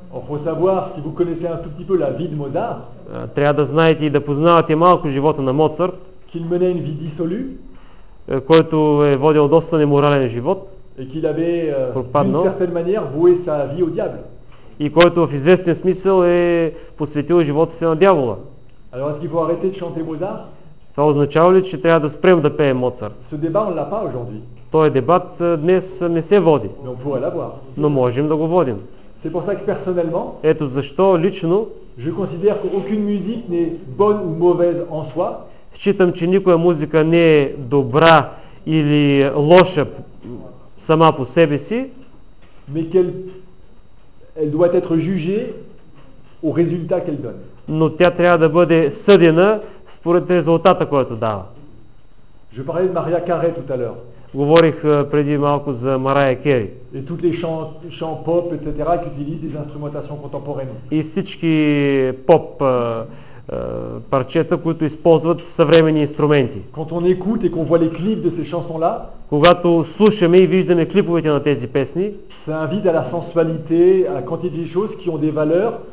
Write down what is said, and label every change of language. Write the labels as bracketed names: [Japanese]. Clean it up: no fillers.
[French] Il faut savoir si vous connaissez un tout petit peu la vie de Mozart. [Bulgarian] Трябва да знаете и да познавате малко живота на Моцарт. [French] Qu'il menait une vie dissolue. [Bulgarian] Който е водил доста неморален живот. [French] Et qu'il avait d'une certaine manière voué sa vie au diable. [Bulgarian] И който в известен смисъл е посветил живота си на дявола. [French] Alors est-ce qu'il faut arrêter de chanter Mozart? [Bulgarian] Това означава ли, че трябва да спрем да пеем Моцарт? [French] Ce débat, on l'a pas aujourd'hui. [Bulgarian] Този дебат днес не се води. [French] Mais on pourrait l'avoir. [Bulgarian] Но можем да го водим. [French] C'est pour ça que personnellement, [Bulgarian] ето защо лично, [French] je considère qu'aucune musique n'est bonne ou mauvaise en soi. [Bulgarian] Считам, че никоя музика не е добра или лоша сама по себе си. [French] Mais qu'elle doit être jugée au résultat qu'elle donne. [Bulgarian] Но тя трябва да бъде съдена според резултата, който дава. [French] Je parlais de Maria Carré tout à l'heure. [Bulgarian] Говорих преди малко за Мария Кери. [French] Et toutes les chants pop etc. qui utilisent des instrumentations contemporaines. [Bulgarian] И всички поп парчета, които използват съвременни инструменти. [French] Quand on écoute et qu'on voit les clips de ces chansons-là, [Bulgarian] когато слушаме и виждаме клиповете на тези песни, [French] ça invite à la sensualité, à quantité de choses qui ont des valeurs.